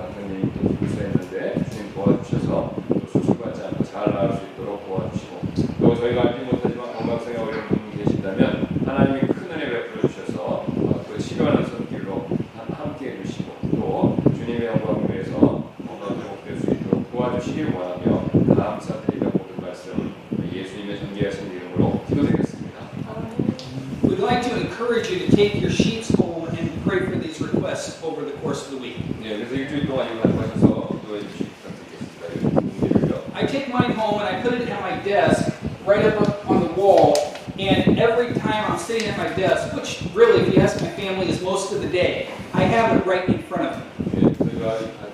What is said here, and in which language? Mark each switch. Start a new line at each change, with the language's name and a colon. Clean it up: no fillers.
Korean: 박사님 또 수술했는데 주님 도와주셔서 또 수술받지 않고 잘 나을 수 있도록 도와주시고 또 저희가 알지 못하지만 건강상에 어려운 분이 계신다면 하나님이 큰 은혜 베풀어 주셔서 그 치료하는 손길로 함께 해주시고 또 주님의 영광 위해서 건강을 회복될 수 있도록 도와주시길 원하며 감사드립니다. 모든 말씀 예수님의 존귀하신 이름으로 기도드리겠습니다.
English: We'd like to encourage you to take your sheets home and pray for these requests over the course of the week.
Korean: 네, 그래서 일주일 동안 이런 것에서 기도해 주시기 부탁드리겠습니다.
English: I take mine home and I put it at my desk right up on the wall. And every time I'm sitting at my desk, which really, if you ask my family, is most of the day, I have it right in front of me.